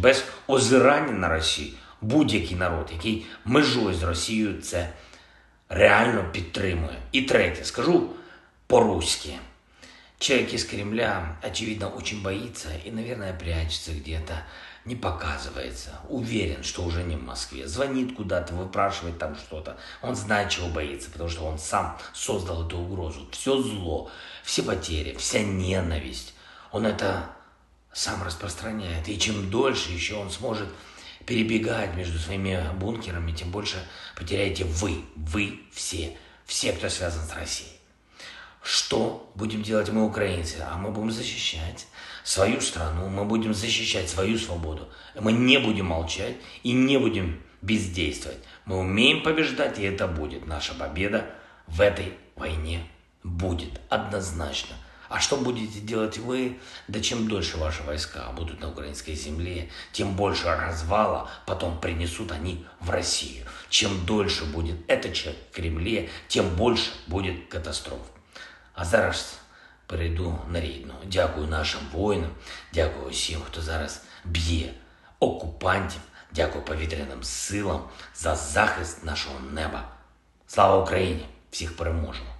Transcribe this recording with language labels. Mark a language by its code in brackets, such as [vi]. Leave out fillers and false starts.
[uk] Без озирання на Росію будь-який народ, який межує з Росією, це реально підтримує. І третє, скажу по-руськи. Чоловік із Кремля, очевидно, дуже боїться і, мабуть, [ru] прячеться где-то. Не показывается. Уверен, что уже не в Москве. Звонит куда-то, выпрашивает там что-то. Он знает, чего боится, потому что он сам создал эту угрозу. Все зло, все потери, вся ненависть. Он это сам распространяет. И чем дольше еще он сможет перебегать между своими бункерами, тем больше потеряете вы все, все, кто связан с Россией. Что будем делать мы, украинцы? А мы будем защищать свою страну, мы будем защищать свою свободу. Мы не будем молчать и не будем бездействовать. Мы умеем побеждать, и это будет. Наша победа в этой войне будет однозначно. А что будете делать вы? Да чем дольше ваши войска будут на украинской земле, тем больше развала потом принесут они в Россию. Чем дольше будет этот человек в Кремле, тем больше будет катастроф. [uk] А зараз перейду на рідну. Дякую нашим воїнам, дякую усім, хто зараз б'є окупантів, дякую повітряним силам за захист нашого неба. Слава Україні! Всіх переможемо!